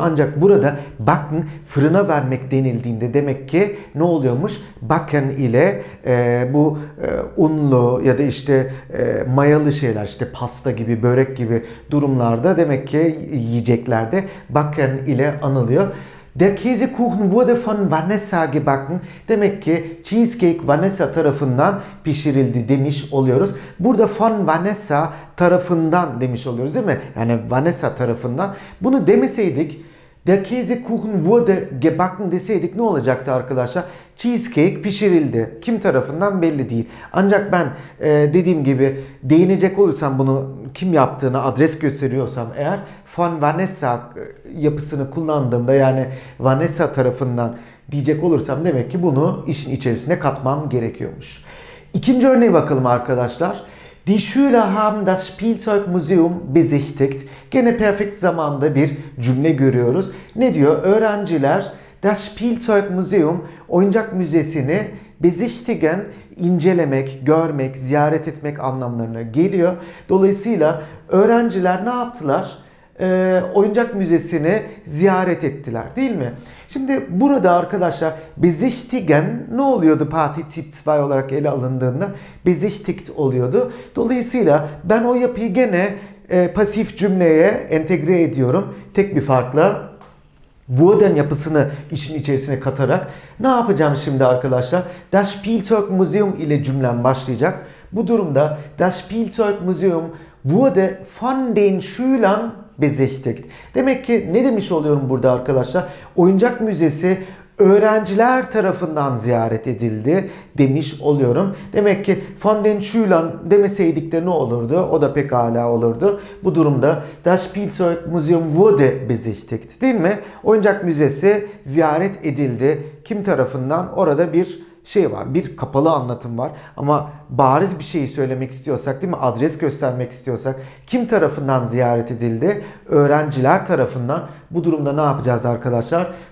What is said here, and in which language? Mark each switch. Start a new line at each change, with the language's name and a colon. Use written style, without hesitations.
Turkish: Ancak burada backen, fırına vermek denildiğinde demek ki ne oluyormuş? Backen ile bu unlu ya da işte mayalı şeyler, işte pasta gibi, börek gibi durumlarda demek ki yiyeceklerde backen ile anılıyor.
German: Der Käsekuchen wurde von Vanessa gebacken.
Turkish: Demek ki cheesecake Vanessa tarafından pişirildi demiş oluyoruz. Burada von Vanessa tarafından demiş oluyoruz, değil mi? Yani Vanessa tarafından. Bunu demeseydik,
German: der Käsekuchen wurde gebacken
Turkish: deseydik ne olacaktı arkadaşlar? Cheesecake pişirildi. Kim tarafından belli değil. Ancak ben dediğim gibi değinecek olursam, bunu kim yaptığını adres gösteriyorsam eğer, von Vanessa yapısını kullandığımda, yani Vanessa tarafından diyecek olursam demek ki bunu işin içerisine katmam gerekiyormuş. İkinci örneğe bakalım arkadaşlar.
German: Die Schüler haben das Spielzeugmuseum besichtigt.
Turkish: Gene perfekt zamanda bir cümle görüyoruz. Ne diyor? Öğrenciler das Spielzeugmuseum, oyuncak müzesini besichtigen, incelemek, görmek, ziyaret etmek anlamlarına geliyor. Dolayısıyla öğrenciler ne yaptılar? Oyuncak müzesini ziyaret ettiler, değil mi? Şimdi burada arkadaşlar besichtigen ne oluyordu partizip 2 olarak ele alındığında? Besichtigt oluyordu. Dolayısıyla ben o yapıyı gene pasif cümleye entegre ediyorum. Tek bir farkla wurden yapısını işin içerisine katarak ne yapacağım şimdi arkadaşlar? Das Spielzeugmuseum ile cümlem başlayacak. Bu durumda
German: das Spielzeugmuseum wurde von den Schülern besichtigt.
Turkish: Demek ki ne demiş oluyorum burada arkadaşlar? Oyuncak müzesi öğrenciler tarafından ziyaret edildi demiş oluyorum. Demek ki
German: von den Schülern
Turkish: demeseydik de ne olurdu? O da pekala olurdu. Bu durumda
German: das Spielzeugmuseum wurde besichtigt,
Turkish: değil mi? Oyuncak müzesi ziyaret edildi. Kim tarafından? Orada bir şey var, bir kapalı anlatım var. Ama bariz bir şeyi söylemek istiyorsak, değil mi, adres göstermek istiyorsak, kim tarafından ziyaret edildi? Öğrenciler tarafından. Bu durumda ne yapacağız arkadaşlar?